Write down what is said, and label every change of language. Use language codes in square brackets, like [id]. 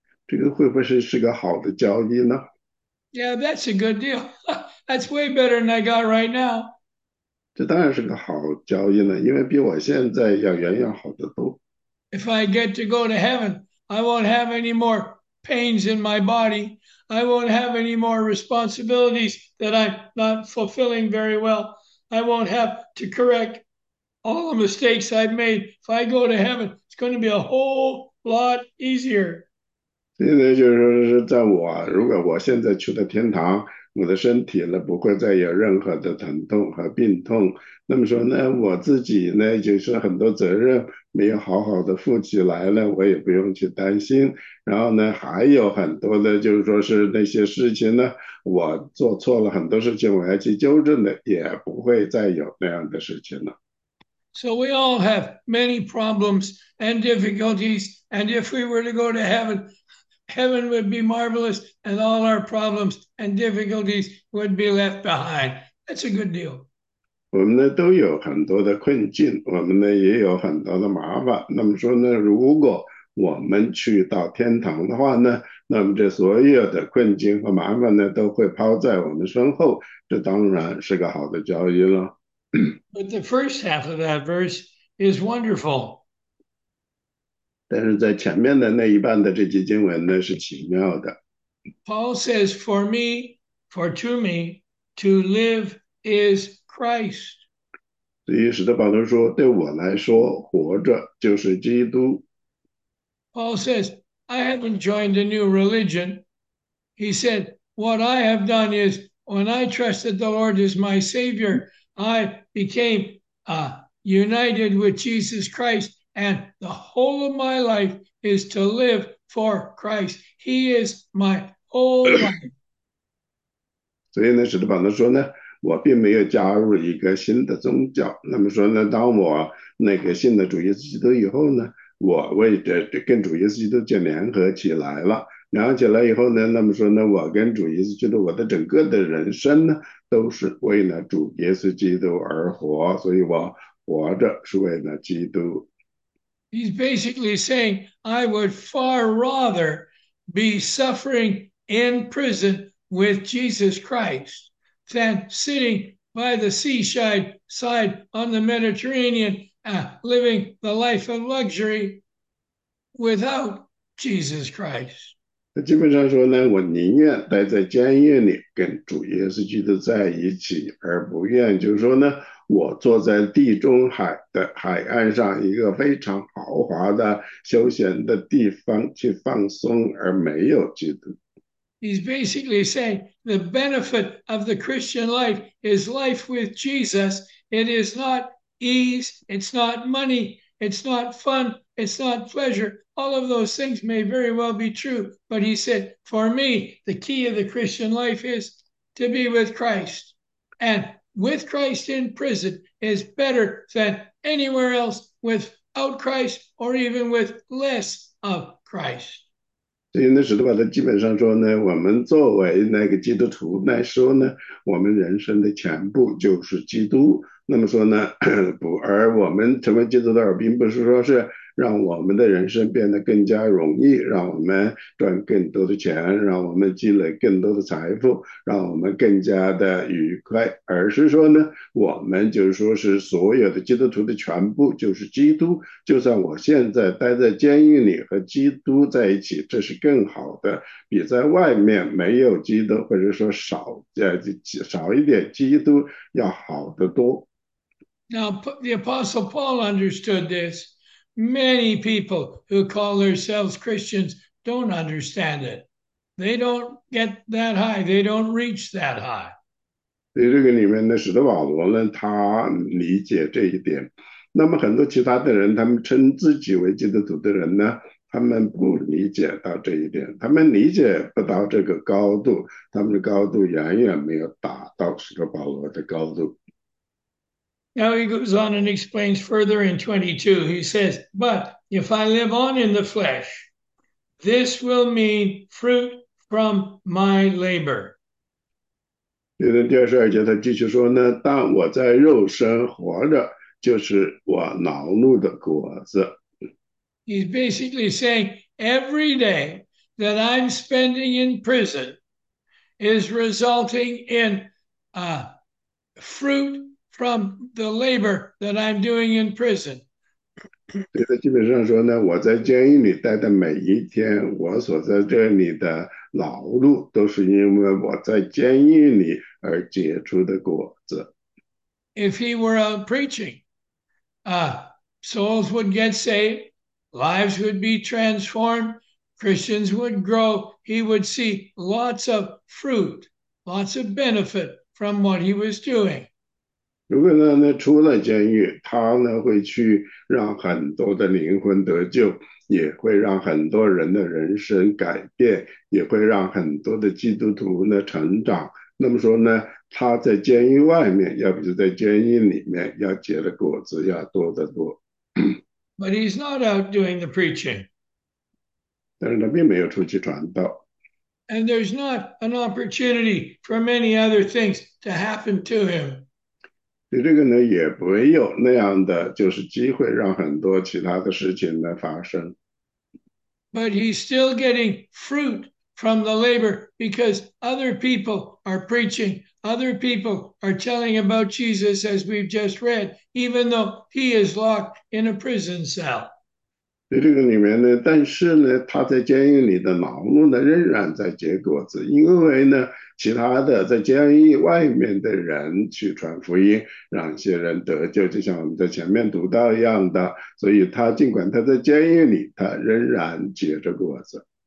[zh] 这个会不会是个好的交易呢？ [en] Yeah, that's a good deal. That's way better than I got right now. [zh] 这当然是个好交易呢，因为比我现在要远远好得多。 [en] If I get to go to heaven, I won't have any more pains in my body. I won't have any more responsibilities that I'm not fulfilling very well. I won't have to correct all the mistakes I've made. If I go to heaven, it's going to be a whole lot easier. [zh] 现在就是说，是在我如果我现在去了天堂，我的身体呢不会再有任何的疼痛和病痛。那么说呢，我自己呢就是很多责任没有好好的负起来呢，我也不用去担心。然后呢，还有很多的，就是说是那些事情呢，我做错了很多事情，我要去纠正的，也不会再有那样的事情了。 [en] So we all have many problems and difficulties, and if we were to go to heaven, heaven would be marvelous, and all our problems and difficulties would be left behind. That's a good deal. [zh] 我们呢都有很多的困境，我们呢也有很多的麻烦。那么说呢，如果我们去到天堂的话呢，那么这所有的困境和麻烦呢都会抛在我们身后，这当然是个好的交易了。 [en] But the first half of that verse is wonderful. [zh] 但是在前面的那一半的这节经文呢是奇妙的。 [en] Paul says, For me, for to me, to live is Christ. [zh] 所以使徒保罗说：“对我来说，活着就是基督。 [en] Paul says, I haven't joined a new religion. He said, What I have done is, when I trusted the Lord as my Savior, I became united with Jesus Christ, and the whole of my life is to live for Christ. He is my whole life. [zh] ”所以呢，使徒保罗说呢。我并没有加入一个新的宗教。那么说呢，当我那个信了主耶稣基督以后呢，我为着跟主耶稣基督就联合起来了。联合起来以后呢，那么说呢，我跟主耶稣基督，我的整个的人生呢，都是为了主耶稣基督而活。所以我活着是为了基督。 [en] He's basically saying, I would far rather be suffering in prison with Jesus Christ than sitting by the seaside side on the Mediterranean, living the life of luxury without Jesus Christ. [zh] 他基本上说呢，我宁愿待在监狱里跟主耶稣基督在一起，而不愿就是说呢，我坐在地中海的海岸上一个非常豪华的休闲的地方去放松，而没有基督。 [en] He's basically saying the benefit of the Christian life is life with Jesus. It is not ease, it's not money, it's not fun, it's not pleasure. All of those things may very well be true, but he said, for me, the key of the Christian life is to be with Christ. And with Christ in prison is better than anywhere else without Christ or even with less of Christ. [zh] 所以呢，使徒保罗基本上说呢，我们作为那个基督徒来说呢，我们人生的全部就是基督。那么说呢，不，而我们成为基督徒，并不是说是让我们的人生变得更加容易，让我们赚更多的钱，让我们积累更多的财富，让我们更加的愉快，而是说呢，我们就是说是所有的基督徒的全部就是基督。就算我现在待在监狱里和基督在一起，这是更好的，比在外面没有基督，或者说少一点基督要好得多。 [en] Now, the Apostle Paul understood this. Many people who call themselves Christians don't understand it. They don't get that high. They don't reach that high. [zh] 所以这个里面呢，使徒保罗呢，他理解这一点。那么很多其他的人，他们称自己为基督徒的人呢，他们不理解到这一点，他们理解不到这个高度，他们的高度远远没有达到使徒保罗的高度。 [en] Now he goes on and explains further in 22. He says, But if I live on in the flesh, this will mean fruit from my labor. [zh] 接着第二十二节，他继续说呢：“但我在肉身活着，就是我恼怒的果子。 [en] He's basically saying every day that I'm spending in prison is resulting in fruit from the labor that I'm doing in prison. [zh] ”对，他基本上说呢：“我在监狱里待的每一天，我所在这里的劳碌，都是因为我在监狱里。” 而结出的果子。 [en] If he were out preaching, souls would get saved. Lives would be transformed, Christians would grow, he would see lots of fruit, lots of benefit from what he was doing. [zh] 如果呢，那出了监狱，他呢会去让很多的灵魂得救，也会让很多人的人生改变，也会让很多的基督徒呢成长。那么说呢，他在监狱外面，要不就在监狱里面，要结的果子要多得多。 [en] But he's not out doing the preaching. [zh] 但是他并没有出去传道。 [en] And there's not an opportunity for many other things to happen to him. [zh] 对这个呢，也没有那样的，就是机会让很多其他的事情呢发生。 [en] But he's still getting fruit from the labor because other people are preaching, other people are telling about Jesus, as we've just read, even though he is locked in a prison cell. [zh] 在这个里面呢，但是呢，他在监狱里的劳碌呢，仍然在结果子，因为呢，其他的在监狱外面的人去传福音，让一些人得救，就像我们在前面读到一样的，所以他尽管他在监狱里，他仍然结着果子。